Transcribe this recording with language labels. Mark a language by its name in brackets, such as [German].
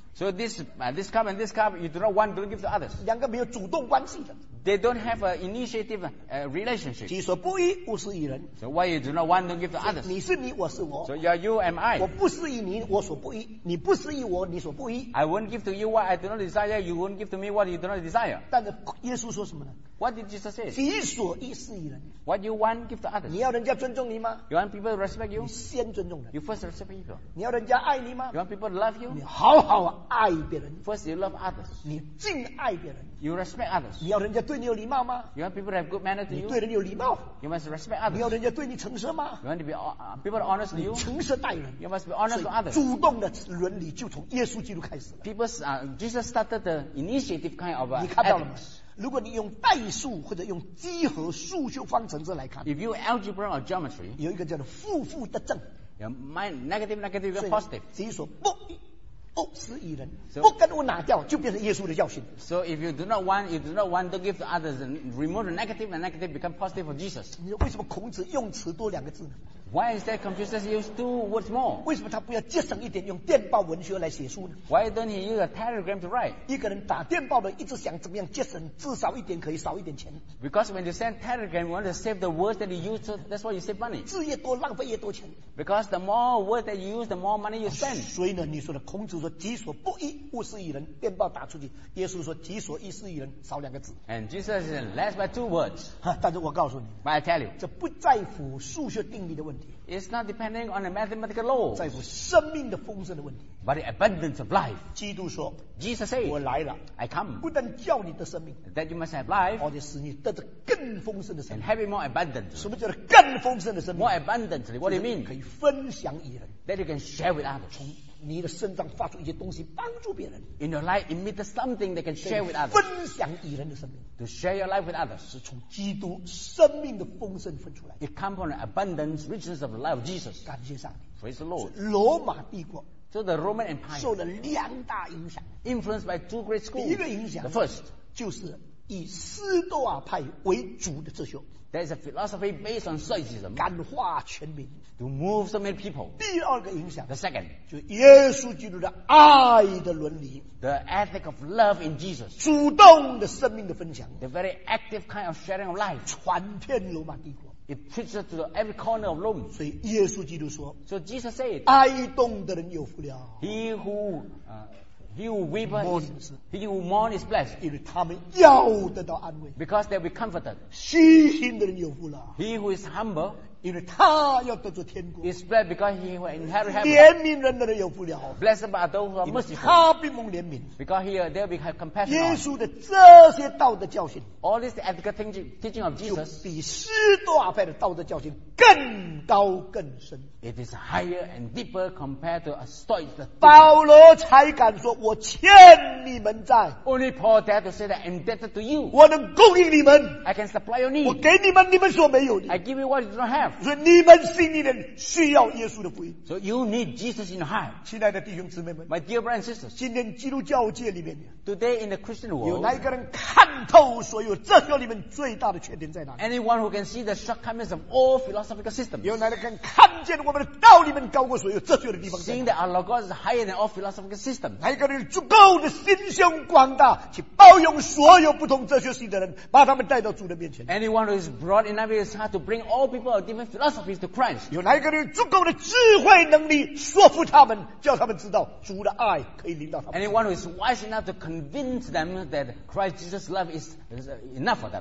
[English] So this cup and this cup, you do not want, don't give to others. [Chinese] 两个没有主动关系的。 [English] They don't have an initiative relationship. [Chinese] 己所不欲勿施于人。 [English] So why you do not want, don't give to others? [Chinese] 你是你，我是我。 [English] So you are you, am I. [Chinese] 我不施于你，我所不欲。你不施于我，你所不欲。 [English] I won't give to you what I do not desire, you won't give to me what you do not desire. [Chinese] 但是耶稣说什么呢？ [English] What did Jesus say? [Chinese] 己所欲施于人。 [English] What do you want give to others? [Chinese] 你要人家尊重你吗？ [English] You want people to respect you? [Chinese] 你先尊重人。 [English] You first respect people. [Chinese] 你要人家爱你吗？ [English] You want people to love you? [Chinese] 你好好爱别人。 [English] First you love others. [Chinese] 你敬爱别人。 [English] You respect others. [Chinese] 你要人家对你有礼貌吗？ [English] You want people to have good manner to you? [Chinese] 你对人有礼貌。 [English] You must respect others. [Chinese] 你要人家对你诚实吗？ [English] You want to be people to honest to you? [Chinese] 你诚实待人。 [English] You must be honest to others. [Chinese] 主动的伦理就从耶稣基督开始了。 [English] Jesus started the initiative kind of ethics. [Chinese] 你看到了吗？如果你用代数或者用几何数学方程式来看 [English] If you algebra or geometry [Chinese] 有一个叫做负负得正 [English] negative negative positive [Chinese] 己所不欲施于人 so, 不跟我拿掉就变成耶稣的教训 [English] So if you do not want you do not want to give to others remove the negative and negative become positive for Jesus [Chinese] 你说为什么孔子用词多两个字呢 [English] Why is that Confucius use two words more [Chinese] 为什么他不要节省一点用电报文学来写书呢 [English] Why don't he use a telegram to write [Chinese] 一个人打电报的一直想怎么样节省至少一点可以少一点钱 [English] Because when you send telegram you want to save the words that you use so that's why you save money [Chinese] 字越多浪费越多钱 [English] Because the more words that you use the more money you spend [Chinese] 所以呢你说的孔子说己所不欲勿施于人电报打出去耶稣说己所欲施于人少两个字 [English] And Jesus said less by two words [Chinese] 但是我告诉你 [English] But I tell you [Chinese] 这不在乎数学定理的问题 [English] It's not depending on a mathematical law. [Chinese] 在乎生命的丰盛的问题。 [English] But the abundance of life. [Chinese] 基督说 [English] ，Jesus said, [Chinese] 我来了 [English] ，I come. [Chinese] 不但叫你的生命 [English] ，that you must have life， [Chinese] 而且使你得着更丰盛的生命 [English] ，and have it more abundant. [Chinese] 什么叫做更丰盛的生命 [English] ？More abundantly. What do you mean？ [Chinese] 可以分享与人 [English] ，that you can share with others. [Chinese] 从你的身上发出一些东西帮助别人。 [English] In your life, emit something that can share with others. [Chinese] 分享与人的生命。 [English] To share your life with others. [Chinese] 是从基督生命的丰盛分出来。 [English] It comes from the abundance, richness of the life of Jesus. [Chinese] 感谢上帝。 [English] Praise the Lord. [Chinese] 罗马帝国。 [English] So the Roman Empire. [Chinese] 受了两大影响。 [English] Influenced by two great schools. [Chinese] 第一个影响。 [English] The first. [Chinese] 就是以斯多亚派为主的哲学。 [English] There is a philosophy based on Stoicism. [Chinese] 感化全民。 [English] To move so many people. [Chinese] 第二个影响。 [English] The second. [Chinese] 就耶稣基督的爱的伦理。 [English] The ethic of love in Jesus. [Chinese] 主动的生命的分享。 [English] The very active kind of sharing of life. [Chinese] 传遍罗马帝国。 [English] It preaches to every corner of Rome. [Chinese] 所以耶稣基督说。 [English] So Jesus said. [Chinese] 哀恸的人有福了。 [English] He who, He who weeps, he who mourns is blessed. [Chinese] 因为他们要得到安慰。 [English] Because they'll be comforted. [Chinese] 虚心的人有福了。 [English] He who is humble, [Chinese] 因为他要得着天国。 [English] Is blessed because he will inherit heaven. [Chinese] 怜悯人的人有福了。 [English] Blessed are those who are merciful. [Chinese] 他必蒙怜悯。 [English] Because here they'll be have compassion. [Chinese] 耶稣的这些道德教训。 [English] All this ethical teaching of Jesus. [Chinese] 就比十多阿派的道德教训更高更深。 [English] It is higher and deeper compared to a Stoic. [Chinese] 保罗才敢说我欠你们债。 [English] Only Paul dared to say that I'm indebted to you. [Chinese] 我能供应你们。 [English] I can supply your need. [Chinese] 我给你们，你们所没有的。 [English] I give you what you don't have. [Chinese] 所以你们心里面需要耶稣的福音。 [English] So you need Jesus in your heart. [Chinese] 亲爱的弟兄姊妹们。 [English] My dear brothers and sisters. [Chinese] 今天基督教界里面。 [English] Today in the Christian world. [Chinese] 有哪一个人看透所有哲学里面最大的缺点在哪里？ [English] Anyone who can see the shortcomings of all philosophical systems. [Chinese] 有哪一个人看见我们的道里面高过所有哲学的地方在哪？ [English] Seeing that our logos is higher than all philosophical systems. [Chinese] 哪一个人足够的心胸广大去包容所有不同哲学系的人，把他们带到主的面前？ [English] Anyone who is broad enough in his heart to bring all people of different philosophies to Christ. [Chinese] 有哪一个人足够的智慧能力说服他们，叫他们知道主的爱可以临到他们？ [English] Anyone who is wise enough to convince them that Christ Jesus' love is enough for them.